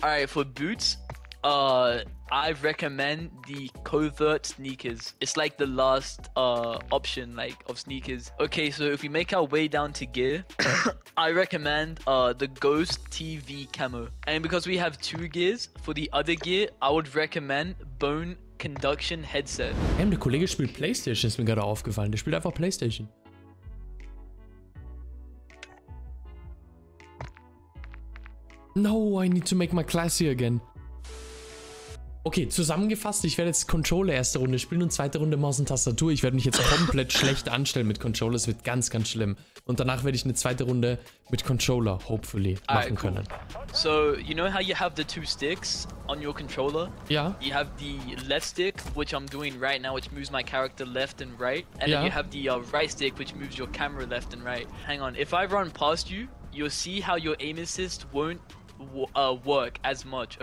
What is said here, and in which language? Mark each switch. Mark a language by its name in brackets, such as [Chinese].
[English] All right, for boots, I recommend the covert sneakers. It's like the last option, like, of sneakers. Okay, so if we make our way down to gear, I recommend the Ghost TV camo. And because we have 2 gears, for the other gear, I would recommend Bone Conduction Headset. [German] Damn, der Kollege spielt PlayStation, ist mir gerade aufgefallen. Der spielt einfach PlayStation. [English] No, I need to make my classy again. [German] Okay, zusammengefasst, ich werde jetzt Controller erste Runde spielen und zweite Runde Maus und Tastatur. Ich werde mich jetzt komplett schlecht anstellen mit Controller. Es wird ganz, ganz schlimm. Und danach werde ich eine zweite Runde mit Controller, hopefully, machen [English] Alright, cool. [German] können. [English] So, you know how you have the 2 sticks on your controller? [German] Ja. [English] You have the left stick, which I'm doing right now, which moves my character left and right. And then you have the right stick, which moves your camera left and right. Hang on, if I run past you, you'll see how your aim assist won't work as much.